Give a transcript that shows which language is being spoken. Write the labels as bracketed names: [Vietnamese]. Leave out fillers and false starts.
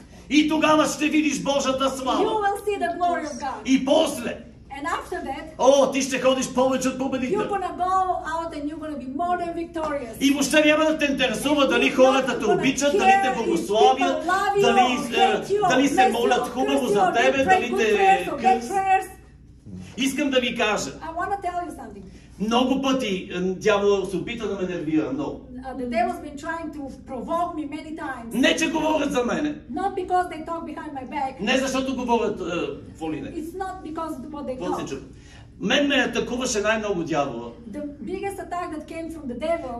[Bulgarian] И тогава ще видиш Божата слава. И после, [English] and after that, [Bulgarian] ти ще ходиш повече от победител. [English] You're gonna go out and you're gonna be more than victorious. [Bulgarian] И въобще няма да те интересува дали хората те обичат, дали те благословят, дали се молят хубаво за тебе, дали те кръст. Искам да ви кажа. [English] I wanna tell you something. [Bulgarian] Много пъти дявола се опита да ме нервира, но. [English] The devil's been trying to provoke me many times. [Bulgarian] Не че говорят за мене. [English] Not because they talk behind my back. [Bulgarian] Не защото говорят фолине. [English] It's not because what they talk. [Bulgarian] Мен ме атакуваше най-много дявола. [English] The biggest attack that came from the devil.